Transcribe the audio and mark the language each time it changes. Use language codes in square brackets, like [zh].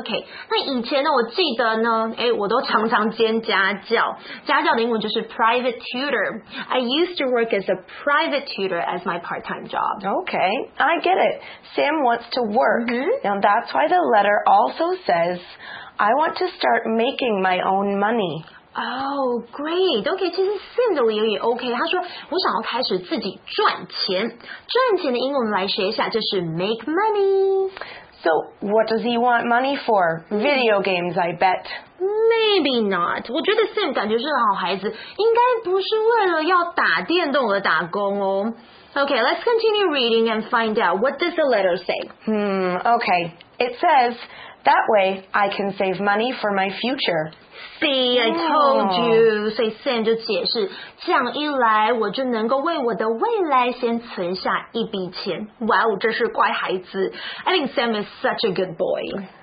[zh] OK, 那以前呢，我记得呢，诶，我都常常兼家教，家教的英文就是 [en] private tutor. I used to work as a private tutor as my part-time job. Okay, I get it. Sam wants to work. Now that's why the letter also says, I want to start making my own money. Oh, great. OK, [zh] 其实 Sam 的理由也 OK. 他说我想要开始自己赚钱。赚钱的英文来学一下就是 [en] make money. So, what does he want money for? Video games, I bet. Maybe not. [zh] 我觉得 Sam 感觉是好孩子，应该不是为了要打电动而打工哦。 [en] OK, let's continue reading and find out what does the letter say. OK, it says, that way I can save money for my future. See, I told you. [zh] 所以 Sam 就解释，这样一来我就能够为我的未来先存下一笔钱。哇哦，这是乖孩子。 [en] I think Sam is such a good boy.